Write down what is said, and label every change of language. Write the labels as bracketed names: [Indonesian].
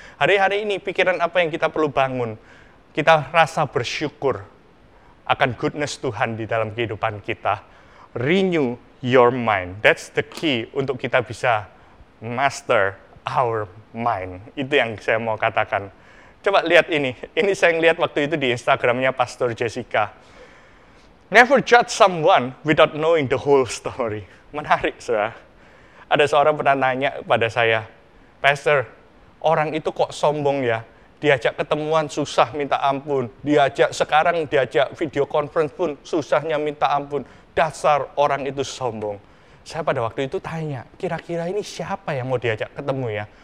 [Indonesian] Hari-hari ini pikiran apa yang kita perlu bangun, kita rasa bersyukur akan goodness Tuhan di dalam kehidupan kita. [English] Renew your mind. That's the key [Indonesian] untuk kita bisa [English] master our mind. [Indonesian] Itu yang saya mau katakan. Coba lihat ini. Ini saya lihat waktu itu di Instagramnya Pastor Jessica. [English] Never judge someone without knowing the whole story. [Indonesian] Menarik, saudara. Ada seorang pernah nanya pada saya, Pastor, orang itu kok sombong ya? Diajak ketemuan susah minta ampun. Diajak sekarang diajak video conference pun susahnya minta ampun. Dasar orang itu sombong. Saya pada waktu itu tanya, kira-kira ini siapa yang mau diajak ketemu ya?